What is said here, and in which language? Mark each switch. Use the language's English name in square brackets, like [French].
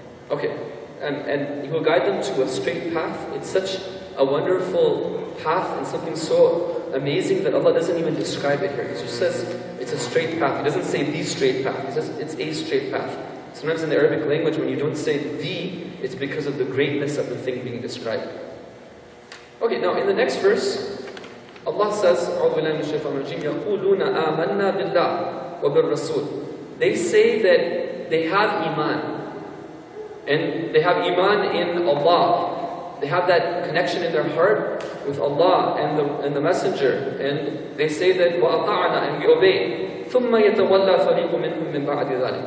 [English] Okay, and He will guide them to a straight path. It's such a wonderful path and something so amazing that Allah doesn't even describe it here. He just says it's a straight path. He doesn't say the straight path. He says it's a straight path. Sometimes in the Arabic language, when you don't say the, it's because of the greatness of the thing being described. Okay, now in the next verse, Allah says, [Arabic] أعوذ بالله من الشيطان الرجيم يقولون آمنا بالله وبالرسول. [English] They say that they have iman, and they have iman in Allah. They have that connection in their heart with Allah and the Messenger, and they say that وأطعنا, and we obey. [Arabic] ثم يتولى فريق منهم من بعد ذلك.